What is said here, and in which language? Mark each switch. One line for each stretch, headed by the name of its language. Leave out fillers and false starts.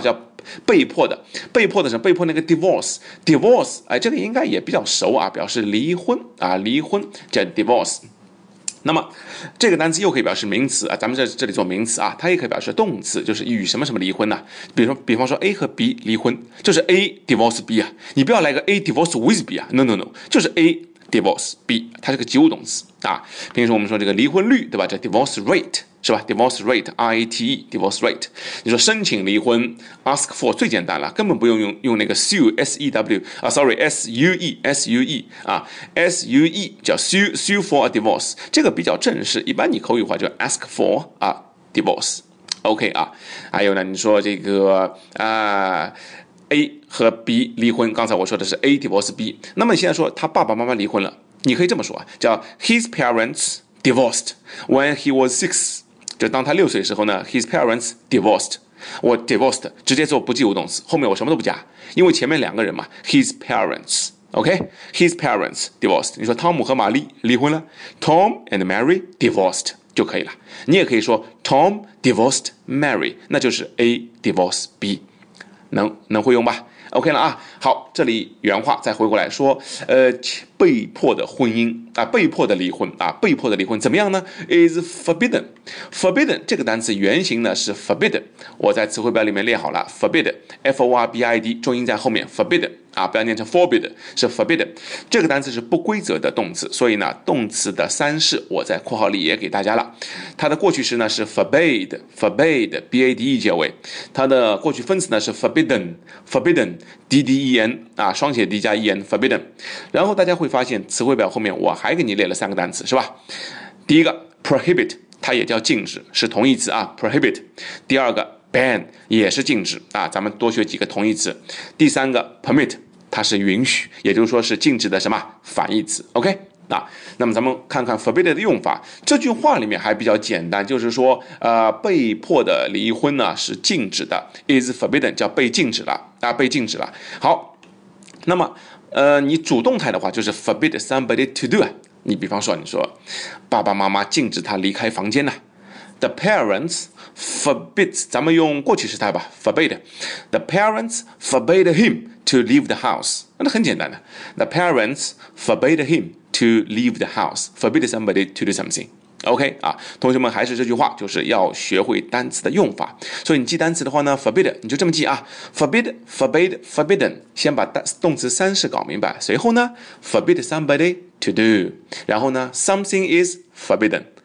Chinese: 叫被迫的，被迫的是被迫那个
English: divorce，
Chinese: 这个应该也比较熟啊，表示离婚啊，离婚叫 divorce。那么这个单词又可以表示名词啊，咱们在这里做名词啊，它也可以表示动词，就是与什么什么离婚呢、啊？比方说 A 和 B 离婚，就是
English: A divorce B
Chinese: 啊，你不要来个
English: A divorce with B
Chinese: 啊 ，
English: no，
Chinese: 就是 A divorce B， 它是个及物动词啊。平时我们说这个离婚率对吧？叫
English: divorce rate
Chinese: 是吧 ？divorce rate I T E divorce rate， 你说申请离婚 ask for 最简单了，根本不用用那个 sue S E W 啊 ，
English: sorry
Chinese: S U E S U E 啊 S U E 叫
English: sue for a divorce，
Chinese: 这个比较正式，一般你口语化就
English: ask for a divorce。
Chinese: OK 啊，还有呢，你说这个A 和 B 离婚，刚才我说的是 A divorce B， 那么你现在说他爸爸妈妈离婚了，你可以这么说，叫
English: his parents divorced when he was six，
Chinese: 就当他六岁的时候呢
English: his parents divorced，
Chinese: 我 divorced 直接做不及物动词，后面我什么都不加，因为前面两个人嘛
English: his parents，
Chinese: OK，
English: his parents divorced，
Chinese: 你说汤姆和玛丽离婚了，
English: Tom and Mary divorced
Chinese: 就可以了，你也可以说
English: Tom divorced Mary，
Chinese: 那就是
English: A divorce B，
Chinese: 能会用吧 OK 了啊，好，这里原话再回过来说，被迫的婚姻啊，被迫的离婚啊，被迫的离婚怎么样呢 ？
English: Is forbidden.
Chinese: Forbidden 这个单词原型呢是 forbidden， 我在词汇表里面列好了 forbidden， F O R B I D， 重音在后面 forbidden 啊，不要念成 forbidden， 是 forbidden。这个单词是不规则的动词，所以呢，动词的三式我在括号里也给大家了。它的过去时呢是 forbade， B A D E 结尾。它的过去分词呢是
English: forbidden。
Chinese: D D E N 啊，双写 D 加 E N forbidden， 然后大家会发现词汇表后面我还给你列了三个单词，是吧？第一个 prohibit， 它也叫禁止，是同义词啊 prohibit。第二个 ban 也是禁止啊，咱们多学几个同义词。第三个 permit， 它是允许，也就是说是禁止的什么反义词。 OK。啊、那么咱们看看 forbidden 的用法，这句话里面还比较简单，就是说被迫的离婚呢是禁止的，
English: is forbidden
Chinese: 叫被禁止了、被禁止了。好，那么你主动态的话就是
English: forbid somebody to do，
Chinese: 你比方说你说爸爸妈妈禁止他离开房间呢、
English: the parents forbid，
Chinese: 咱们用过去时态吧， forbid，
English: the parents forbid him to leave the house，
Chinese: 那很简单的，
English: the parents forbid himTo leave the house, forbid somebody to do something.
Chinese: OK 啊，同学们还是这句话，就是要学会单词的用法。所以你记单词的话呢 ，forbid 你就这么记啊 ，
English: forbid, forbade, forbidden，
Chinese: 先把动词三式搞明白，随后呢 ，
English: forbid somebody to do，
Chinese: 然后呢 ，
English: something is forbidden。